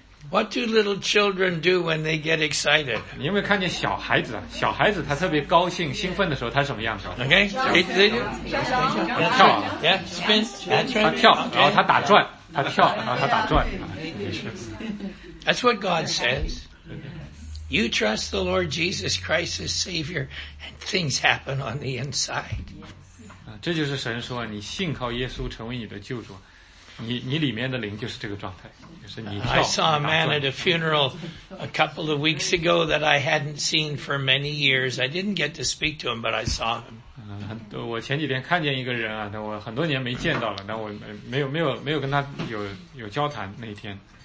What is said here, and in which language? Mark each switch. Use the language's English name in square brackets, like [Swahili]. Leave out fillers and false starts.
[English] What do little children do when they get excited? [Chinese] 你有没有看见小孩子啊？小孩子他特别高兴、兴奋的时候，他什么样子 [English] ？Okay. They do. [Chinese] 跳。 [English] Yeah. Spin. That's right. [Chinese] 他跳，然后他打转。他跳，然后他打转。 [English] That's what God says. You trust the Lord Jesus Christ as Savior, and things happen on the inside. [Chinese] 这就是神说，你信靠耶稣成为你的救主，你里面的灵就是这个状态，就是你跳。 [English] I saw a man at a funeral a couple of weeks ago that I hadn't seen for many years. I didn't get to speak to him, but I saw him. [Chinese] 我前几天看见一个人啊，那我很多年没见到了，那我没有跟他有交谈那一天。